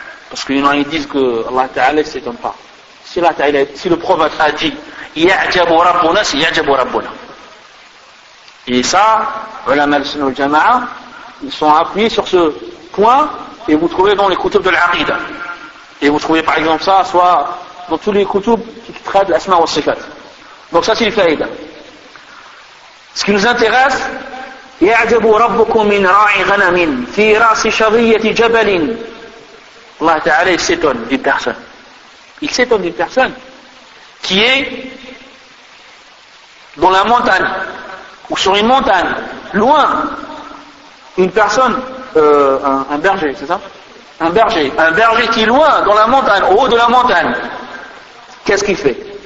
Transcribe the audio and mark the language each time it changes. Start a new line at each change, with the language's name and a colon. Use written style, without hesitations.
French: Parce qu'il y en a qui disent que Allah Ta'ala ne s'étonne pas. Si Allah Ta'ala, si le prophète a dit
Arabic: يعجب ربنا سيعجب ربنا.
French: Et ça,
Arabic: علماء السنة والجماعة,
French: ils sont appuyés sur ce point, et vous trouvez dans les kutub de l'aqida. Et vous trouvez par exemple ça, soit dans tous les kutub qui traitent l'asma wa sifat. Donc ça, c'est le faïda. Ce qui nous intéresse,
Arabic: يعجب ربكم من راعي غنم في راس شظية جبل.
French: Allah Ta'ala, il s'étonne d'une personne. Il s'étonne d'une personne qui est dans la montagne ou sur une montagne, loin, une personne, un berger, c'est ça? Un berger qui est loin, dans la montagne, au haut de la montagne. Qu'est-ce qu'il fait?